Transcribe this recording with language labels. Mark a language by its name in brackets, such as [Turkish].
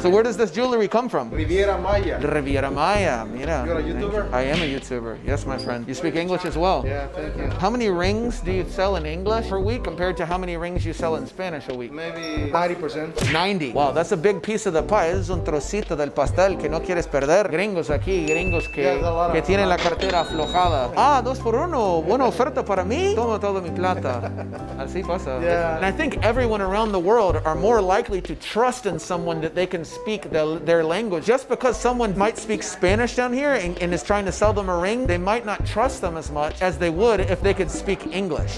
[English] So where does this jewelry come from? Riviera Maya. Riviera Maya, mira. You're a YouTuber? I am a YouTuber. Yes, my friend. You speak English as well? Yeah, thank you. How many rings do you sell in English per week compared to how many rings you sell in Spanish a week? Maybe 90%. 90? Wow, that's a big piece of the pie. [Spanish] Es un trocito del pastel que no quieres perder. Gringos aquí, gringos que tienen la cartera aflojada. Ah, [English] 2 for $1. [Spanish] Buena oferta para mí. Toma toda mi plata. Así pasa. [English] Yeah. And I think everyone around the world are more likely to trust in someone that they can speak their language. Just because someone might speak Spanish down here and is trying to sell them a ring, they might not trust them as much as they would if they could speak English.